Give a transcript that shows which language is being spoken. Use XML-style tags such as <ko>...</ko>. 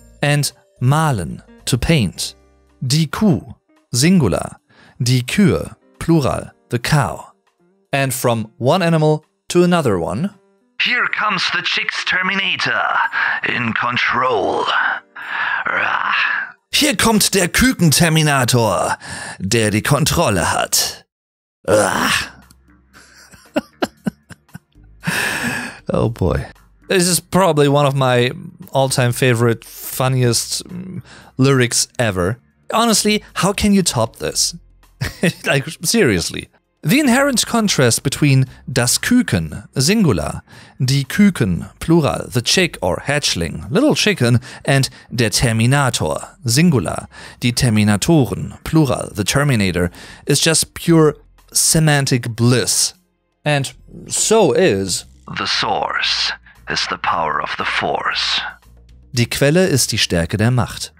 <en>And malen, to paint. Die Kuh, singular. Die Kühe, plural, the cow. and from one animal to another one. Here comes the chick's Terminator, in control. Rah.</en> <de>Hier kommt der Küken-Terminator, der die Kontrolle hat. Rah.</de> <en>Oh boy. This is probably one of my all-time favorite, funniest lyrics ever. Honestly, how can you top this? Like, seriously. The inherent contrast between das Küken, singular, die Küken, plural, the chick or hatchling, little chicken, and der Terminator, singular, die Terminatoren, plural, the Terminator, is just pure semantic bliss. And so is the source is the power of the force.</en> <de>Die Quelle ist die Stärke der Macht.</de>